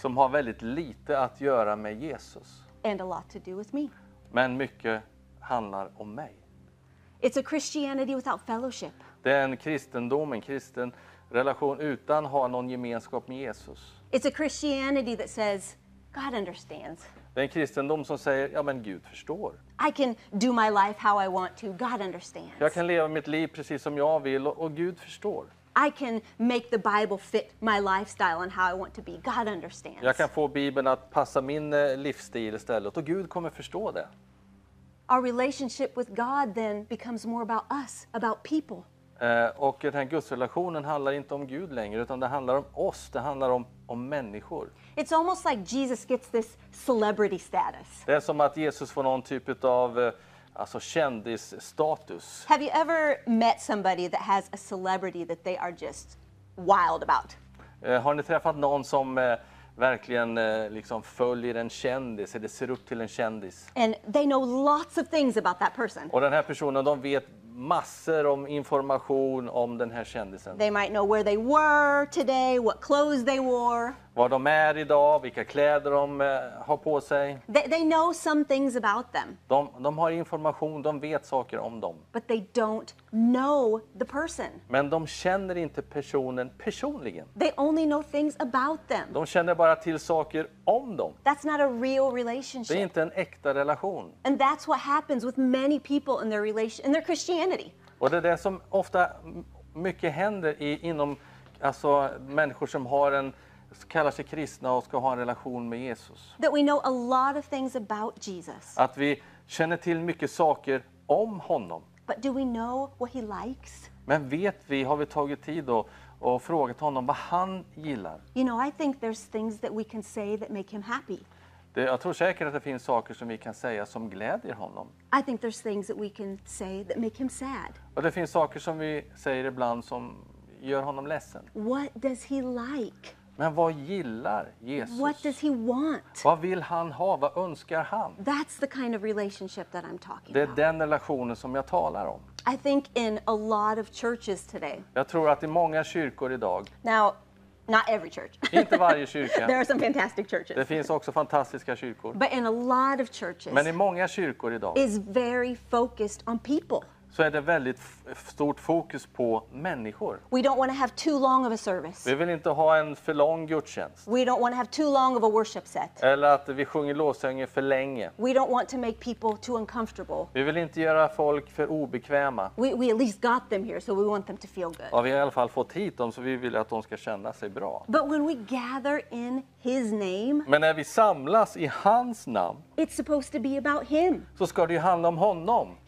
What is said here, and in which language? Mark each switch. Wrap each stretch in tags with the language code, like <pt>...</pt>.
<sv>Som har väldigt lite att göra med Jesus.</sv> <en>And a lot to do with me.</en> <sv>Men mycket handlar om mig.</sv> <en>It's a Christianity without fellowship.</en> <sv>Det är en kristendom, en kristen relation utan ha någon gemenskap med Jesus.</sv> <en>It's a Christianity that says God understands.</en> <sv>Det är en kristendom som säger ja men Gud förstår.</sv> <en>I can do my life how I want to. God understands.</en> <sv>Jag kan leva mitt liv precis som jag vill och Gud förstår.</sv> <en>I can make the Bible fit my lifestyle and how I want to be. God understands.</en> <sv>Jag kan få Bibeln att passa min livsstil istället och Gud kommer förstå det.</sv> <en>Our relationship with God then becomes more about us, about people.</en> <sv>Och den här gudsrelationen handlar inte om Gud längre utan det handlar om oss, det handlar om människor.</sv> <en>It's almost like Jesus gets this celebrity status.</en> <sv>Det är som att Jesus får någon typ av kändisstatus.</sv> <en>Have you ever met somebody that has a celebrity that they are just wild about?</en> <sv>Har ni träffat någon som verkligen liksom följer en kändis eller ser upp till en kändis?</sv> <en>And they know lots of things about that person.</en> <sv>Och den här personen, de vet massor om information om den här kändisen.</sv> <en>They might know where they were today, what clothes they wore.</en> <sv>Var de är idag, vilka kläder de har på sig.</sv> <en>They know some things about them.</en> <sv>De har information, de vet saker om dem.</sv> <en>But they don't know the person.</en> <sv>Men de känner inte personen personligen.</sv> <en>They only know things about them.</en> <sv>De känner bara till saker om dem.</sv> <en>That's not a real relationship.</en> <sv>Det är inte en äkta relation.</sv> <en>And that's what happens with many people in their relation, in their Christianity.</en> <sv>Och det är det som ofta mycket händer inom människor som har en kallar sig kristna och ska ha en relation med Jesus.</sv> <en>That we know a lot of things about Jesus.</en> <sv>Att vi känner till mycket saker om honom.</sv> <en>But do we know what he likes?</en> <sv>Men vet vi, har vi tagit tid och frågat honom vad han gillar?</sv> <en>You know, I think there's things that we can say that make him happy.</en> <sv>Jag tror säkert att det finns saker som vi kan säga som glädjer honom.</sv> <en>I think there's things that we can say that make him sad.</en> <sv>Och det finns saker som vi säger ibland som gör honom ledsen.</sv> <en>What does he like?</en> <sv>Men vad gillar Jesus?</sv> <en>What does he want?</en> <sv>Vad vill han ha? Vad önskar han?</sv> <en>That's the kind of relationship that I'm talking about.</en> <sv>Det är den relationen som jag talar om.</sv> <en>I think in a lot of churches today.</en> <sv>Jag tror att i många kyrkor idag.</sv> <en>Now, not every church.</en> <sv>Inte varje kyrka.</sv> <en>There are some fantastic churches.</en> <sv>Det finns också fantastiska kyrkor.</sv> <en>But in a lot of churches.</en> <sv>Men i många kyrkor idag.</sv> <en>Is very focused on people.</en> <sv>Så är det väldigt stort fokus på människor.</sv> <en>We don't want to have too long of a service.</en> <sv>Vi vill inte ha en för lång gudstjänst.</sv> <en>We don't want to have too long of a worship set.</en> <sv>Eller att vi sjunger lovsånger för länge.</sv> <en>We don't want to make people too uncomfortable.</en> <sv>Vi vill inte göra folk för obekväma.</sv> <en>We at least got them here, so we want them to feel good.</en> <sv>Ja, vi har i alla fall fått hit dem, så vi vill att de ska känna sig bra.</sv> <en>But when we gather in his name.</en> <sv>Men när vi samlas i hans namn.</sv> <en>It's supposed to be about him.</en> <sv>Så ska det ju handla om honom.</sv>